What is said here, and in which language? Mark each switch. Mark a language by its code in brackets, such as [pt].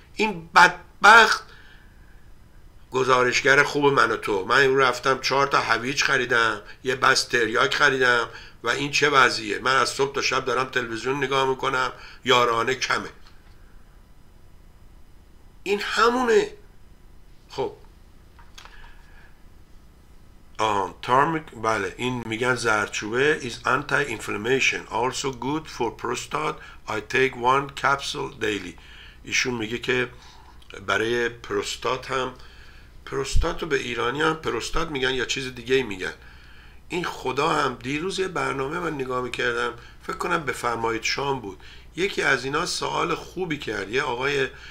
[fa] این بدبخت گزارشگر خوب من و تو، من این رفتم 4 هویج خریدم، یه بس تریاک خریدم و این چه وضعیه؟ من از صبح تا شب دارم تلویزیون نگاه میکنم، یارانه کمه. این همونه. خب آهان تارمیک، بله این میگن زردچوبه [en] is anti-inflammation also good for prostate I take one capsule daily. [fa] ایشون میگه که برای پروستات هم، پروستات رو به ایرانی هم پروستات میگن یا چیز دیگه میگن. این خدا هم دیروز یه برنامه من نگاه میکردم، فکر کنم به فرمایید شام بود، یکی از اینا سوال خوبی کرد، یه آقای